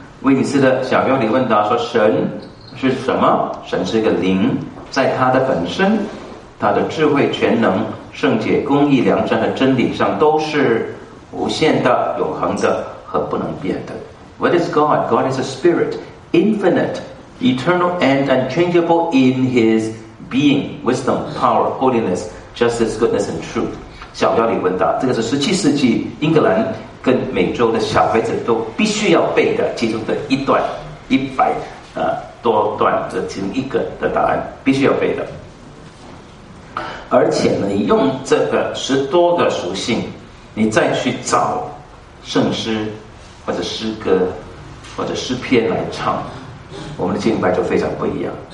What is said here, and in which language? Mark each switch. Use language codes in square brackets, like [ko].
[zh] 威尼斯的小标里问答说：神是什么？神是一个灵，在他的本身，他的智慧、全能、圣洁、公义、良善和真理上都是无限的、永恒的和不能变的。 [en] What is God? God is a spirit, infinite, eternal and unchangeable in his being, wisdom, power, holiness, justice, goodness, and truth. [zh] 小标里问答，这个是17世纪英格兰跟美洲的小孩子都必须要背的其中的一段，100多段的其中一个的答案，必须要背的。而且呢，你用这个10多个属性，你再去找圣诗或者诗歌或者诗篇来唱，我们的敬拜就非常不一样